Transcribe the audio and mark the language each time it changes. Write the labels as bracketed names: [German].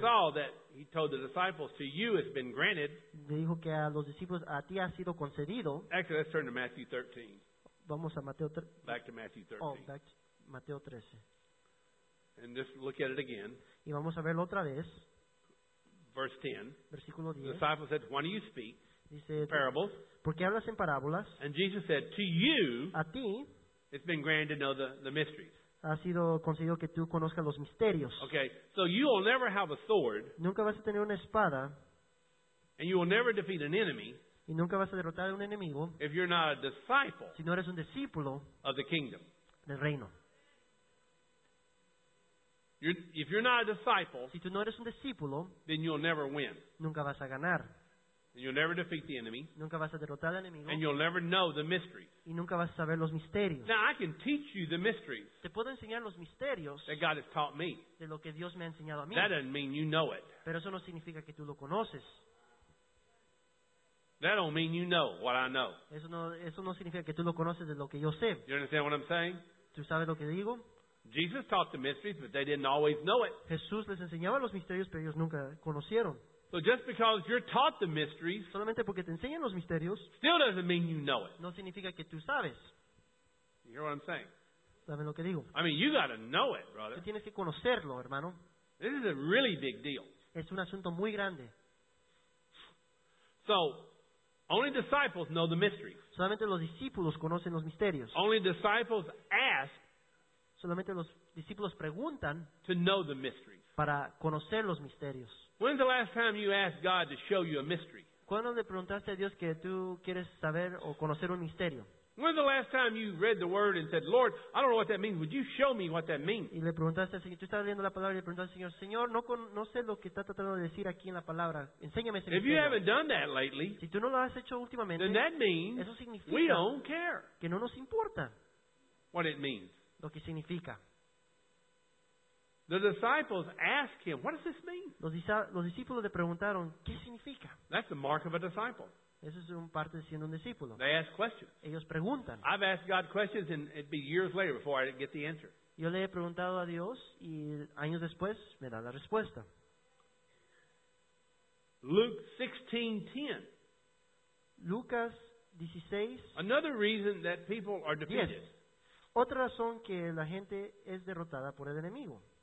[English] Saw that he told the disciples, to you it's been granted. [Spanish] Le dijo que a los discípulos, a ti ha sido concedido. [English] Actually, let's turn to Matthew 13. [Spanish] Vamos a Mateo 13. [English] Back to Matthew 13. Oh, back to Mateo 13. And just look at it again. [Spanish] Y vamos a verlo otra vez. [English] Verse 10. [Spanish] Versículo 10. [English] The disciples said, why do you speak? [Spanish] Dice, [English] parables. [Spanish] ¿Por qué hablas en parábolas? [English] And Jesus said, to you, [Spanish] a ti, [English] it's been granted to know the mysteries. [Spanish] Ha sido concedido que tú conozcas los misterios. [English] Okay, so you will never have a sword. [Spanish] Nunca vas a tener una espada. [English] And you will never defeat an enemy. [Spanish] Y nunca vas a derrotar a un enemigo. [English] If you're not a disciple. [Spanish] Si no eres un discípulo. [English] Of the kingdom. [Spanish] Del reino. [English] If you're not a disciple. [Spanish] Si tú no eres un discípulo. [English] Then you'll never win. [Spanish] Nunca vas a ganar. [English] And you'll never defeat the enemy. [Spanish] Nunca vas a derrotar al enemigo. [English] And you'll never know the mysteries. [Spanish] Y nunca vas a saber los misterios. [English] Now I can teach you the mysteries. [Spanish] Te puedo enseñar los misterios. [English] That God has taught me. [Spanish] De lo que Dios me ha enseñado a mí. [English] That doesn't mean you know it. [Spanish] Pero eso no significa que tú lo conoces. [English] That don't mean you know what I know. [Spanish] Eso no significa que tú lo conoces de lo que yo sé. [English] You understand what I'm saying? [Spanish] ¿Tú sabes lo que digo? [English] Jesus taught the mysteries, but they didn't always know it. [Spanish] Jesús les enseñaba los misterios, pero ellos nunca conocieron. [English] So just because you're taught the mysteries, [Spanish] solamente porque te enseñan los misterios, [English] still doesn't mean you know it. [Spanish] No significa que tú sabes. [English] You hear what I'm saying? [Spanish] ¿Saben lo que digo? [English] I mean, you got to know it, brother. [Spanish] Tú tienes que conocerlo, hermano. [English] This is a really big deal. [Spanish] Es un asunto muy grande. [English] So, only disciples know the mysteries. [Spanish] Solamente los discípulos conocen los misterios. [English] Only disciples ask. [Spanish] Solamente los discípulos preguntan. [English] To know the mysteries. [Spanish] Para conocer los misterios. [English] When's the last time you asked God to show you a mystery? [Spanish] ¿Cuándo le preguntaste a Dios que tú quieres saber o conocer un misterio? [English] When's the last time you read the word and said, "Lord, I don't know what that means. Would you show me what that means?" [Spanish] Y le preguntaste al Señor, tú estabas leyendo la palabra y le preguntaste al Señor, "Señor, no sé lo que está tratando de decir aquí en la palabra. Enséñame ese [English] misterio." If you haven't done that lately, [Spanish] si tú no lo has hecho últimamente, [English] then that means [Spanish] eso significa [English] we don't care. [Spanish] Que no nos importa. [English] What it means. [Spanish] Lo que significa. [English] The disciples ask him, "What does this mean?" [Spanish] Los discípulos le preguntaron, ¿qué significa? [English] That's the mark of a disciple. [Spanish] Eso es un parte de siendo un discípulo. [English] They ask questions. [Spanish] Ellos preguntan. [English] I've asked God questions and it'd be years later before I get the answer. [Spanish] Yo le he preguntado a Dios y años después me da la respuesta. [English] Luke 16:10. [Spanish] Lucas 16. [English] Another reason that people are defeated. Yes. [Spanish] Otra razón que la gente es derrotada por el enemigo.